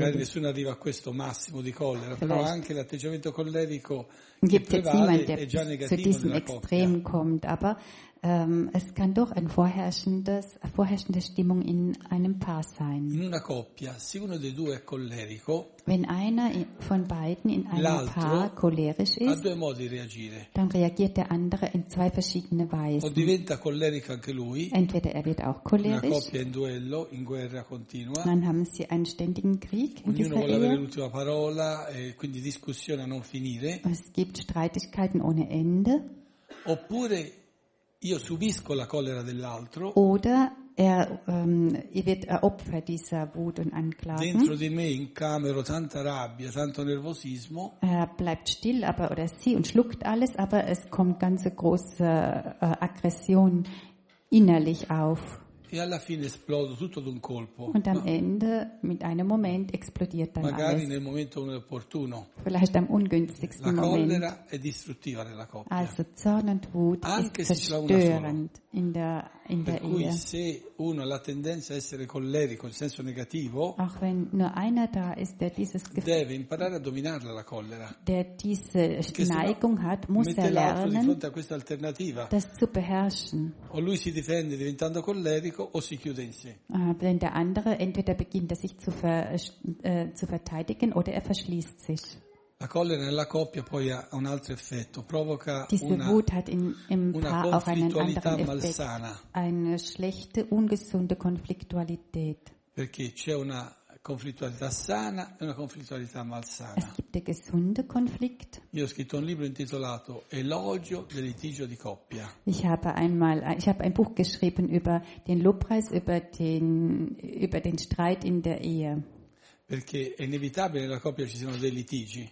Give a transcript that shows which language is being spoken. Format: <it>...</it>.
<it>Magari nessuno arriva a questo massimo di collera, però anche l'atteggiamento collerico</it> <de>gibt jetzt niemand, der zu diesem Extrem kommt, aber es kann doch eine vorherrschende Stimmung in einem Paar sein.</de> <it>In una coppia, se uno dei due è collerico,</it> <de>wenn einer von beiden in einem Paar cholerisch ist,</de> <it>ha due modi di reagire.</it> <de>Dann reagiert der andere in zwei verschiedene Weisen.</de> <it>O diventa collerico anche lui,</it> <de>entweder er wird auch cholerisch,</de> <it>una coppia in duello, in guerra continua,</it> <de>dann haben sie einen ständigen Krieg in dieser Ehe.</de> <it>Ognuno vuole avere l'ultima parola, quindi discussione a non finire.</it> <de>Es gibt Streitigkeiten ohne Ende.</de> <it>Oppure io subisco la collera dell'altro.</it> <de>Oder wird Opfer dieser Wut und Anklagen.</de> <it>Dentro di me incamero tanta rabbia, tanto nervosismo.</it> <de>Er bleibt still, aber oder sie und schluckt alles, aber es kommt ganze große Aggression innerlich auf.</de> <it>E alla fine esplodo tutto d'un colpo.</it> <de>Und am Ende mit einem Moment explodiert dann</de> <it>magari</it> <de>alles.</de> <it>Nel momento inopportuno.</it> <de>Vielleicht am ungünstigsten Moment.</de> <it>La collera è distruttiva nella coppia.</it> <de>Also Zorn und Wut</de> <it>anche</it> <de>ist zerstörend in der Ehe.</de> <it>Per cui se uno ha la tendenza a essere collerico in senso negativo,</it> <de>auch wenn nur einer da ist, der dieses Gefühl,</de> <it>deve imparare a dominarla la collera.</it> <de>Der diese Neigung hat, muss</de> <it>mette</it> <de>er lernen,</de> <it>l'altro di fronte a questa alternativa.</it> <de>Das zu beherrschen.</de> <it>O lui si difende diventando collerico, o si chiude in sé.</it> <de>Wenn der andere entweder beginnt, sich zu verteidigen, oder er verschließt sich.</de> <it>La collera nella coppia poi ha un altro effetto, provoca</it> <de>diese Wut hat im Paar auch einen anderen Effekt, eine schlechte, ungesunde Konfliktualität.</de> <it>Perché c'è una conflittualità sana e una conflittualità malsana.</it> <de>Es gibt der gesunde Konflikt.</de> <it>Io ho scritto un libro intitolato Elogio del litigio di coppia.</it> <de>Ich habe ein Buch geschrieben über den Lobpreis, über den Streit in der Ehe.</de> <it>Perché è inevitabile nella coppia ci siano dei litigi.</it>